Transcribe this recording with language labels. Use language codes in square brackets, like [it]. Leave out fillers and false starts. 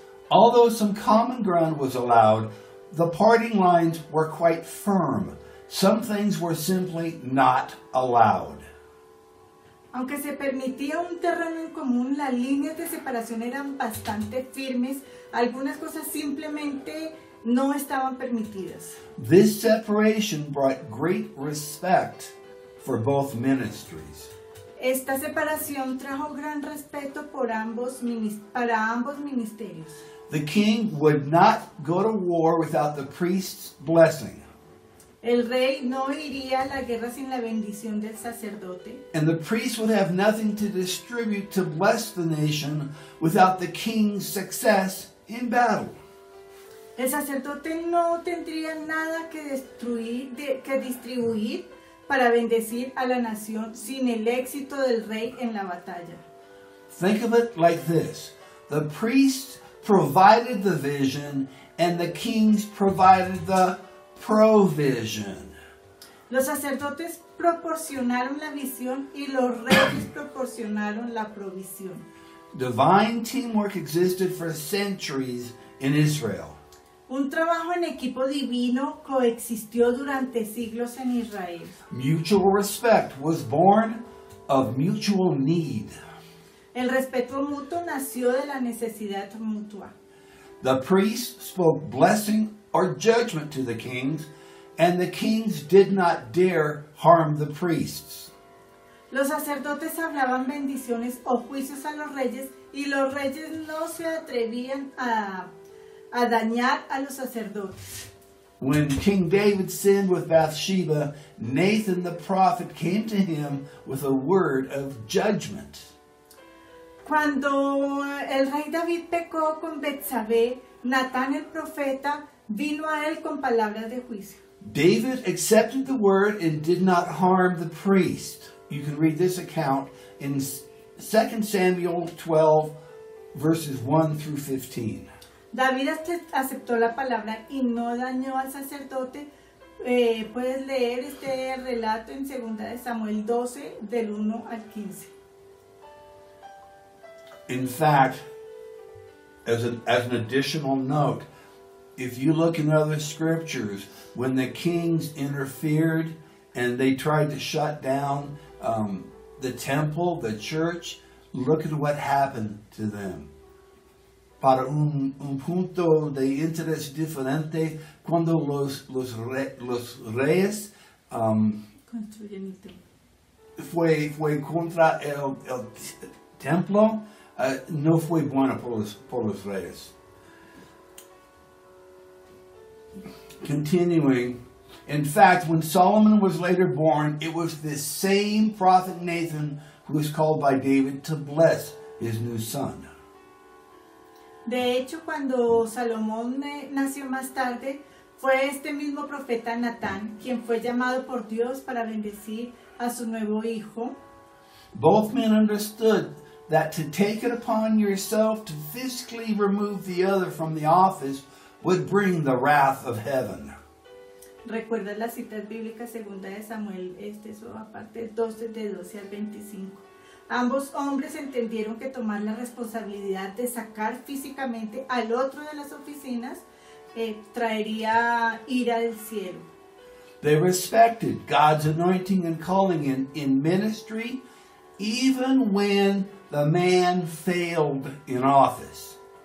[en] Although some common ground was allowed, the parting lines were quite firm. Some things were simply not allowed. [es] Aunque se permitía un terreno en común, las líneas de separación eran bastante firmes. Algunas cosas simplemente no estaban permitidas. [en] This separation brought great respect for both ministries. [es] Esta separación trajo gran respeto para ambos ministerios. [en] The king would not go to war without the priest's blessing. [es] El rey no iría a la guerra sin la bendición del sacerdote. [en] And the priest would have nothing to distribute to bless the nation without the king's success in battle. [es] El sacerdote no tendría nada que destruir, que distribuir para bendecir a la nación sin el éxito del rey en la batalla. [en] Think of it like this. The priest provided the vision and the kings provided the provision. [es] Los sacerdotes proporcionaron la visión y los reyes proporcionaron la provisión. [en] Divine teamwork existed for centuries in Israel. [es] Un trabajo en equipo divino coexistió durante siglos en Israel. [en] Mutual respect was born of mutual need. [es] El respeto mutuo nació de la necesidad mutua. [en] The priests spoke blessing or judgment to the kings, and the kings did not dare harm the priests. [es] Los sacerdotes hablaban bendiciones o juicios a los reyes, y los reyes no se atrevían a dañar a los sacerdotes. [en] When King David sinned with Bathsheba, Nathan the prophet came to him with a word of judgment. [es] Cuando el rey David pecó con Betsabé, Natán el profeta vino a él con palabras de juicio. [en] David accepted the word and did not harm the priest. You can read this account in 2 Samuel 12, verses 1 through 15. [es] David aceptó la palabra y no dañó al sacerdote. Puedes leer este relato en 2 Samuel 12, del 1 al 15. [en] In fact, as an additional note, if you look in other scriptures, when the kings interfered and they tried to shut down the temple, the church, look at what happened to them. [es] Para un punto de interés diferente, cuando los reyes fue contra el templo, no fue buena por los reyes. [en] Continuing, in fact, when Solomon was later born, it was this same prophet Nathan who was called by David to bless his new son. [es] De hecho, cuando Salomón nació más tarde, fue este mismo profeta Natán quien fue llamado por Dios para bendecir a su nuevo hijo. [en] Both men understood that to take it upon yourself to physically remove the other from the office would bring the wrath of heaven. [es] Recuerda la cita bíblica 2 de Samuel, aparte 12, de 12 al 25. Ambos hombres entendieron que tomar la responsabilidad de sacar físicamente al otro de las oficinas traería ira del cielo. [en] They respected God's anointing and calling in ministry, even when the man failed in office.